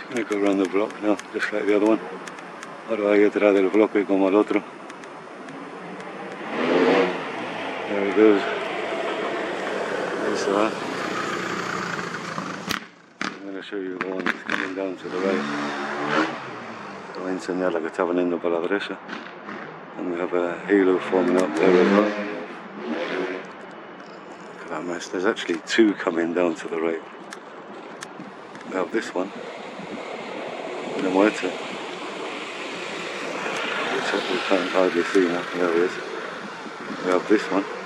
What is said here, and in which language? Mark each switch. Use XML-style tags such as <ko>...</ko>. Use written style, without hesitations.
<en>Around the block now, just like the other one.</en> <es>Ahora voy atrás del bloque como el otro.</es> <en>There it goes. There's that. I'm going to show you the one that's coming down to the right.</en> <es>Te voy a enseñar la que está veniendo para la derecha.</es> <en>And we have a halo forming up there as well. Look at that mess. There's actually two coming down to the right. We have this one. The motor. We can't hardly see now. There it is. We have this one.</en>